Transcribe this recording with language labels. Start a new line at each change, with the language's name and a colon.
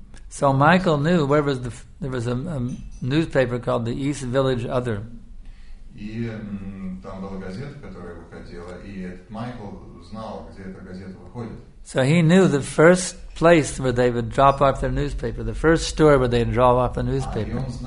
English: so Michael knew where was there was a newspaper called the East Village Other.
Russian: И там была газета, которая выходила, и этот Майкл знал, где эта газета выходит.
English: So he knew the first place where they would drop off their newspaper, the first store where they'd drop off the newspaper.